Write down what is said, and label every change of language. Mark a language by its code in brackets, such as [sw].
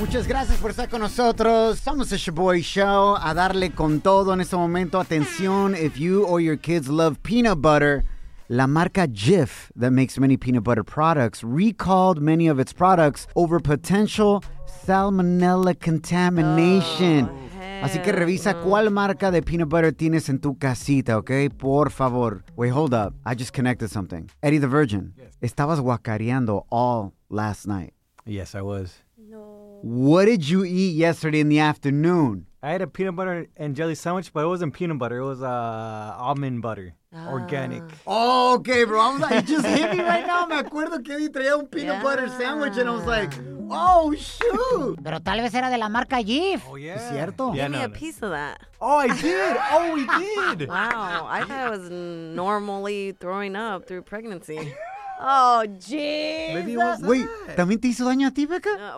[es] Muchas gracias por estar con nosotros. Somos el Shaboy Show. A darle con todo en este momento. [en] Atención, if you or your kids love peanut butter, [es] La marca [en] Jif, that makes many peanut butter products, recalled many of its products over potential salmonella contamination. Oh, [es] así que revisa cuál marca de [en] peanut butter [es] tienes en tu casita, okay? Por favor. [en] Wait, hold up. I just connected something. Eddie the Virgin. Yes. [es] Estabas guacareando [en] all last night. Yes, I was. No. What did you eat yesterday in the afternoon? I had a peanut butter and jelly sandwich, but it wasn't peanut butter. It was almond butter. Ah. Organic. Oh, okay, bro. I'm like, it just hit me right now. [es] Me acuerdo que [en] Eddie [es] traía un [en] peanut butter sandwich, and I was like, oh, shoot. [es] Pero tal vez era de la marca Jif. [en] Oh, yeah. [es] ¿Es cierto? [en] Yeah, give me a piece of that. Oh, I did. Oh, we did. Wow. I thought I was normally throwing up through pregnancy. Oh, jeez. Wait, [es] ¿también te hizo daño a ti, Becca?